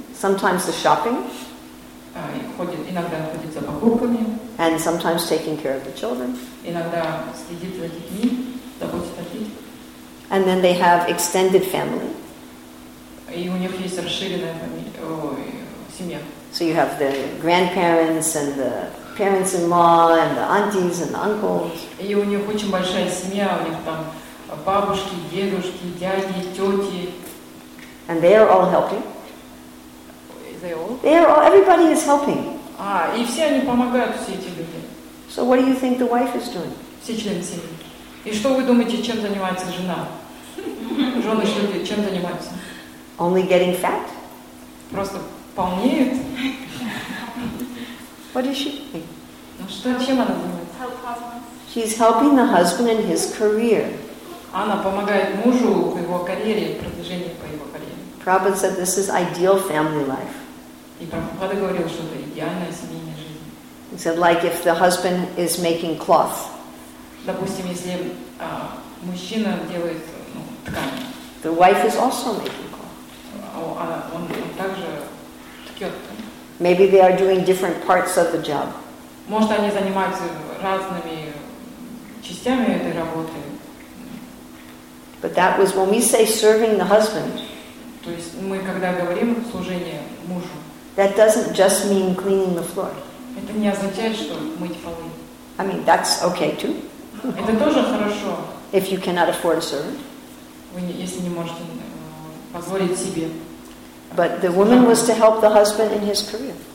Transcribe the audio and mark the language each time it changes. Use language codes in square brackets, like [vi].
[en] Sometimes the shopping. [ru] Иногда ходит за покупками. [en] And sometimes taking care of the children. [ru] Иногда следит за детьми, заботится о детях. [en] And then they have extended family. [ru] И у них есть расширенная семья. [en] So you have the grandparents and the parents-in-law and the aunties and the uncles. [ru] И у них очень большая семья, у них там бабушки, дедушки, дяди, тети. [en] And they are all helping. They all? They are all. Everybody is helping. [ru] И все они помогают, все эти люди. [en] So what do you think the wife is doing? [ru] Все члены семьи. И что вы думаете, чем занимается жена? Жены что-то чем занимаются? [en] Only getting fat? [ru] Просто полнеет. [en] What is she doing? [ru] Ну что, чем она занимается? [en] Help husband. She's helping the husband in his career. [ru] Она помогает мужу в его карьере, продвижении по его. [en] Prabhupada said this is ideal family life. [ru] И Прабхупада говорил, что это идеальная семейная жизнь. [en] He said, like if the husband is making cloth. [ru] Допустим, если мужчина делает ткань. [en] The wife is also making cloth. [ru] Он также ткет. [en] Maybe they are doing different parts of the job. [ru] Может, они занимаются разными частями этой работы. [en] But that was when we say serving the husband. [ru] То есть мы когда говорим служение мужу. [en] That doesn't just mean cleaning the floor. [ru] Это не означает, что мыть полы. [en] I mean, that's okay too. [ru] Это тоже хорошо. [en] If you cannot afford a servant. [ru] Если не можете позволить себе. [en] But the woman was to help the husband in his career.